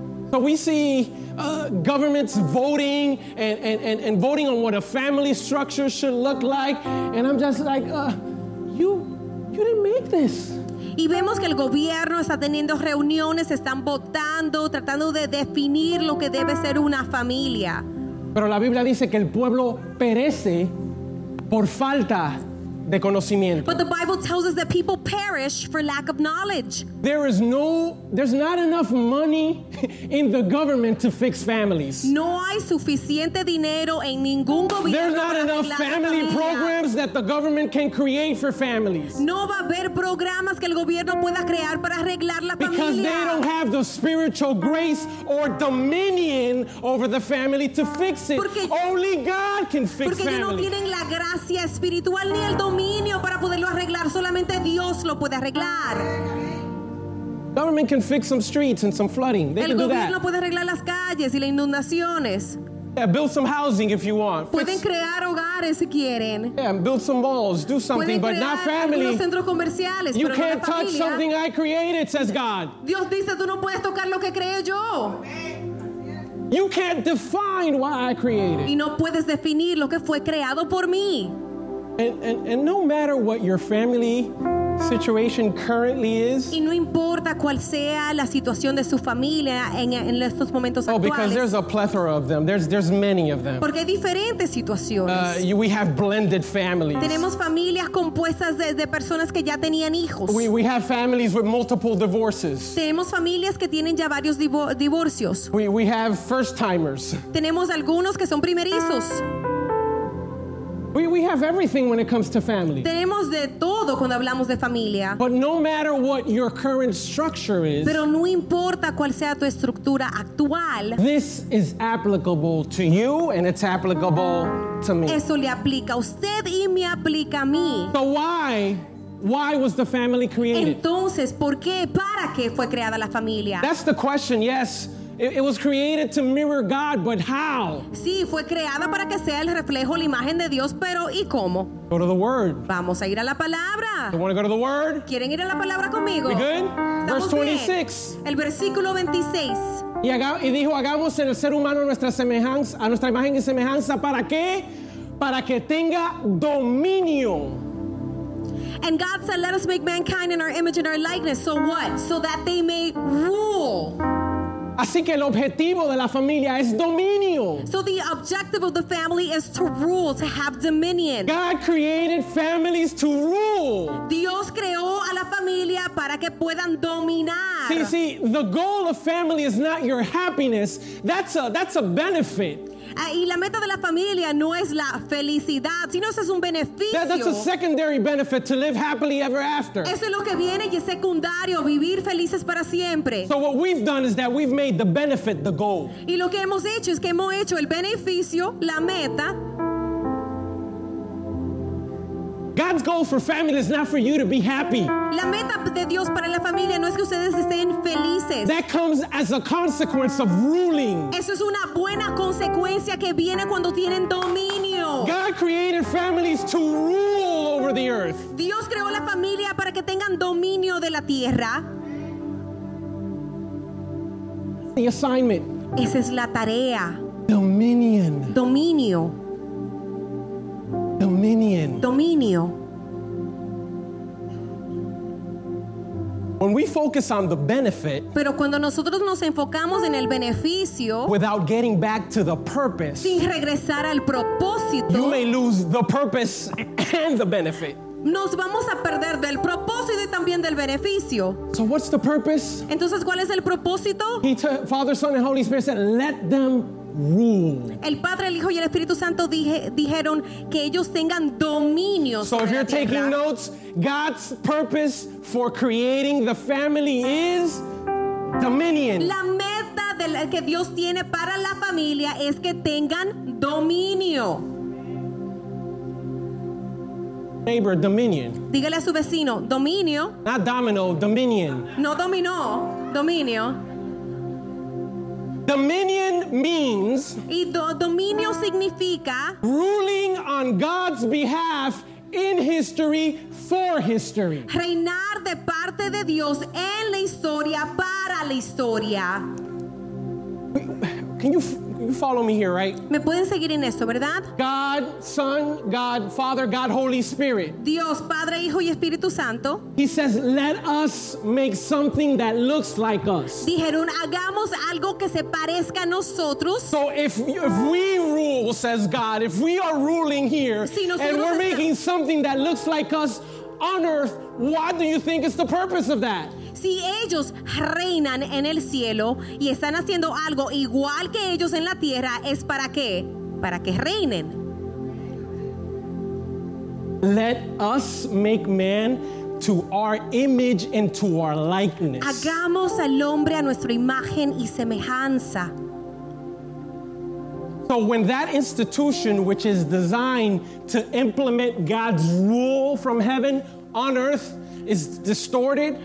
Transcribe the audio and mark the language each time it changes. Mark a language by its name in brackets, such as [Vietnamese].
[English] So we see governments voting and voting on what a family structure should look like, and I'm just like, you didn't make this. [Spanish] Y vemos que el gobierno está teniendo reuniones, están votando, tratando de definir lo que debe ser una familia. Pero la Biblia dice que el pueblo perece por falta de conocimiento. [English] But the Bible tells us that people perish for lack of knowledge. There's not enough money in the government to fix families. [Spanish] No hay suficiente dinero en ningún gobierno. [English] There's not enough family programs that the government can create for families. [Spanish] No va a haber programas que el gobierno pueda crear para arreglar la familia. [English] Because they don't have the spiritual grace or dominion over the family to fix it. [Spanish] Porque [English] only God can fix [Spanish] Porque ellos no tienen la gracia espiritual ni el dominio para poderlo arreglar. Solamente Dios lo puede arreglar. [English] Government can fix some streets and some flooding. They [Spanish] el [English] can do that. [Spanish] El gobierno puede arreglar las calles y las inundaciones. [English] Yeah, build some housing if you want. [Spanish] Pueden crear hogares si quieren. [English] Yeah, build some malls, do something, [Spanish] pueden [English] but not family. [Spanish] Pueden crear algunos centros comerciales, [English] you [Spanish] pero no la familia. [English] You can't touch something I created, says God. [Spanish] Dios dice, tú no puedes tocar lo que creé yo. [English] You can't define why I created. [Spanish] Y no puedes definir lo que fue creado por mí. [English] And no matter what your family situation currently is. [Spanish] Y no importa cuál sea la situación de su familia en estos momentos actuales. [English] Oh, because there's a plethora of them. There's many of them. [Spanish] Porque hay diferentes situaciones. [English] We have blended families. [Spanish] Tenemos familias compuestas de personas que ya tenían hijos. [English] We have families with multiple divorces. [Spanish] Tenemos familias que tienen ya varios divorcios. [English] We have first timers. [Spanish] Tenemos algunos que son primerizos. [English] We have everything when it comes to family. [Spanish] Tenemos de todo cuando hablamos de familia. [English] But no matter what your current structure is, [Spanish] pero no importa cuál sea tu estructura actual, [English] this is applicable to you and it's applicable to me. [Spanish] Eso le aplica a usted y me aplica a mí. [English] So why? Why was the family created? [Spanish] Entonces, ¿por qué? ¿Para qué fue creada la familia? [English] That's the question, yes. It was created to mirror God, but how? [Spanish] Sí, fue creada para que sea el reflejo, la imagen de Dios, pero ¿y cómo? [English] Go to the Word. [Spanish] Vamos a ir a la palabra. [English] You want to go to the Word? [Spanish] ¿Quieren ir a la palabra conmigo? [English] We good? [Spanish] Estamos [English] Verse 26. [Spanish] Bien. El versículo 26. Y dijo, hagamos en el ser humano nuestra semejanza, a nuestra imagen y semejanza, ¿para qué? Para que tenga dominio. [English] And God said, let us make mankind in our image and our likeness, so what? So that they may rule. [Spanish] Así que el objetivo de la familia es dominio. [English] So the objective of the family is to rule, to have dominion. God created families to rule. [Spanish] Dios creó a la familia para que puedan dominar. [English] See, the goal of family is not your happiness. That's a benefit. [Spanish] Y la meta de la familia no es la felicidad, sino es un beneficio. [English] That's a secondary benefit, to live happily ever after. [Spanish] Eso es lo que viene y es secundario, vivir felices para siempre. [English] So what we've done is that we've made the benefit the goal. [Spanish] Y lo que hemos hecho es que hemos hecho el beneficio la meta. [English] God's goal for family is not for you to be happy. [Spanish] La meta de Dios para la familia no es que ustedes estén felices. [English] That comes as a consequence of ruling. [Spanish] Eso es una buena consecuencia que viene cuando tienen dominio. [English] God created families to rule over the earth. [Spanish] Dios creó la familia para que tengan dominio de la tierra. [English] The assignment. [Spanish] Esa es la tarea. [English] Dominion. [Spanish] Dominio. [English] Dominion. [Spanish] Dominio. [English] When we focus on the benefit, [Spanish] pero cuando nosotros nos enfocamos en el beneficio, [English] without getting back to the purpose, [Spanish] sin regresar al propósito, [English] you may lose the purpose and the benefit. [Spanish] Nos vamos a perder del propósito y también del beneficio. [English] So what's the purpose? [Spanish] Entonces, ¿cuál es el propósito? [English] Father, Son, and Holy Spirit said, let them rule. [Spanish] El Padre, el Hijo y el Espíritu Santo dijeron que ellos tengan dominio. [English] So if you're taking notes, God's purpose for creating the family is dominion. [Spanish] La meta que Dios tiene para la familia es que tengan dominio. [English] Neighbor, dominion. [Spanish] Dígale a su vecino, dominio. [English] Not domino, dominion. [Spanish] No dominó, dominio. [English] Dominion means [Spanish] dominio significa [English] ruling on God's behalf in history for history. [Spanish] Reinar de parte de Dios en la historia para la historia. [English] Can you follow me here, right? [Spanish] Me pueden seguir en esto, ¿verdad? [English] God, Son, God, Father, God, Holy Spirit. [Spanish] Dios, Padre, Hijo y Espíritu Santo. [English] He says, let us make something that looks like us. [Spanish] Dijeron, hagamos algo que se parezca a nosotros. [English] So if we rule, says God, if we are ruling here, [Spanish] si nosotros [English] and we're making something that looks like us on earth, what do you think is the purpose of that? [Spanish] Si ellos reinan en el cielo y están haciendo algo igual que ellos en la tierra, ¿es para qué? Para que reinen. [English] Let us make man to our image and to our likeness. [Spanish] Hagamos al hombre a nuestra imagen y semejanza. [English] So when that institution, which is designed to implement God's rule from heaven on earth, is distorted.